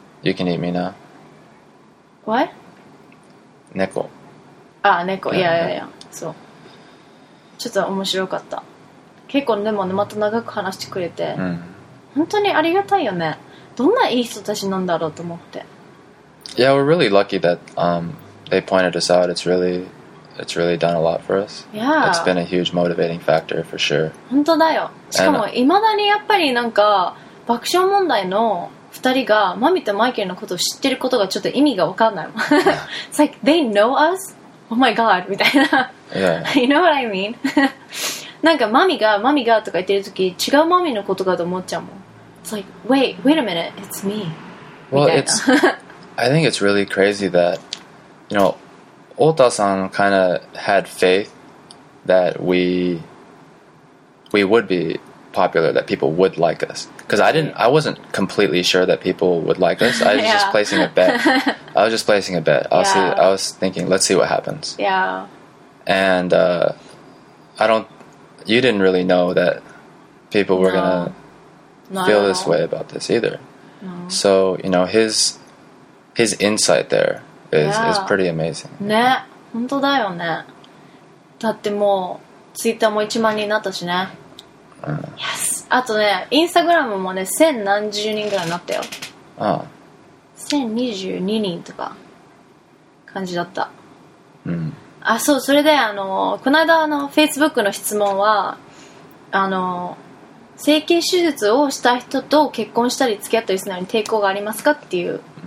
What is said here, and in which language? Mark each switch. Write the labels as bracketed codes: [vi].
[en] You can eat me now. What? [ja] 猫。ああ猫、いやいやいや、そう。ちょっと面白かった。結構でもね、また長く話してくれて、本当にありがたいよね。どんないい人たちなんだろうと思って。 [en] Yeah, we're really lucky that they pointed us out. It's really done a lot for us. Yeah. It's been a huge motivating factor for sure. [ja] 本当だよ。しかも未だにやっぱりなんか爆笑問題の2人がマミとマイケルのことを知ってることがちょっと意味が分かんないもん。 [en] It's like they know us. Oh my god みたいな。 Yeah. You know what I mean? [ja] なんかマミがとか言ってる時違うマミのことかと思っちゃうもん。 [en] It's like, wait a minute, it's me. Well, it's, I think it's really crazy that, you know, Ota-san kind of had faith that we would be popular, that people would like us. Because I wasn't completely sure that people would like us. I was just placing a bet. I was thinking, let's see what happens. Yeah. And you didn't really know that people were gonna feel this way about this either. No. So, you know, his insight there is pretty amazing. [ja] ね、本当だよね。だってもう、ツイッターも1万人になったしね。 [en] Yes! [ja] あとね、インスタグラムもね、千何十人ぐらいになったよ。 1022人とか、感じだった。あ、そう、それで、あの、この間、あの、Facebook の質問は、あの、整形手術をした人と結婚したり付き合ったりするのに抵抗がありますかっていう。